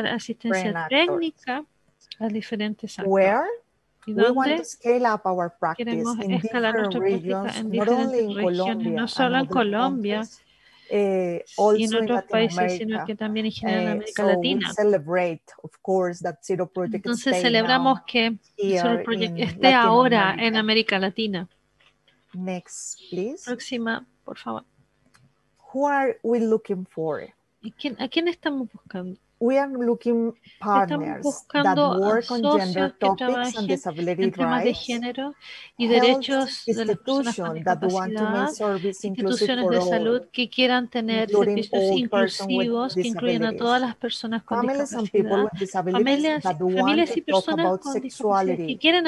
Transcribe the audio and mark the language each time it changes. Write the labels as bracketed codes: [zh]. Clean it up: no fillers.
[es] asistencia a diferentes actores. [en] Where? We want to scale up our practice in different regions, not only in Colombia, [es] sino en otros países, sino también en Latinoamérica. [en] We celebrate, of course, that Zero Project [es] entonces celebramos que Zero Project esté ahora en América Latina. [en] Next, please. [es] Próxima, por favor. [en] Who are we looking for? [es] ¿A quién estamos buscando? [en] We are looking partners that work on gender topics and disability rights, health institutions that want to make service inclusive for all, including all persons with disabilities, families and people with disabilities that want to talk about sexuality